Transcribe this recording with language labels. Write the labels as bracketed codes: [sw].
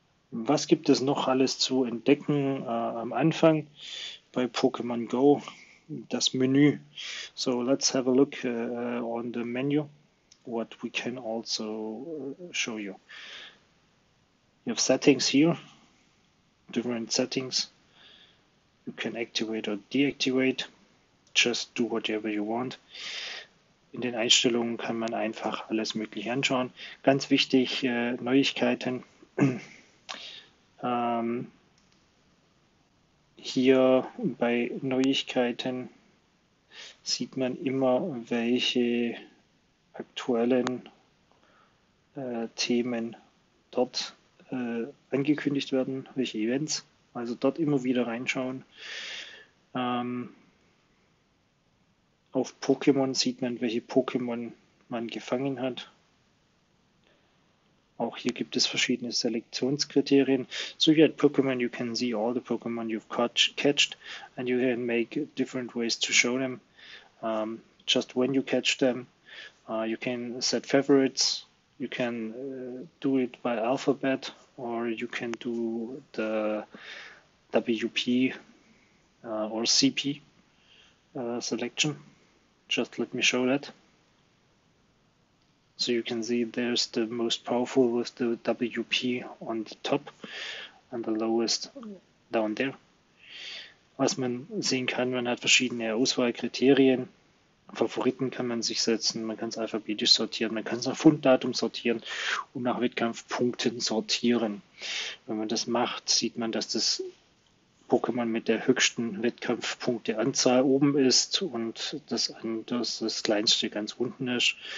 [de] Was gibt es noch alles zu entdecken am Anfang bei Pokémon Go? Das Menü. [en] So, let's have a look on the menu, what we can also show you. You have settings here, different settings. You can activate or deactivate. Just do whatever you want. [de] In den Einstellungen kann man einfach alles Mögliche anschauen. Ganz wichtig, Neuigkeiten. Hier bei Neuigkeiten sieht man immer, welche aktuellen Themen dort angekündigt werden, welche Events. Also dort immer wieder reinschauen. Auf Pokémon sieht man, welche Pokémon man gefangen hat. Auch hier gibt es verschiedene Selektionskriterien. [en] So you had Pokémon, you can see all the Pokémon you've catched and you can make different ways to show them. Just when you catch them, you can set favorites, you can do it by alphabet or you can do the WP or CP selection. Just let me show that. So you can see there's the most powerful with the WP on the top and the lowest down there. [de] Was man sehen kann, man hat verschiedene Auswahlkriterien. Favoriten kann man sich setzen, man kann es alphabetisch sortieren, man kann es nach Funddatum sortieren und nach Wettkampfpunkten sortieren. Wenn man das macht, sieht man, dass das Pokémon mit der höchsten Wettkampfpunkteanzahl oben ist und das kleinste ganz unten ist.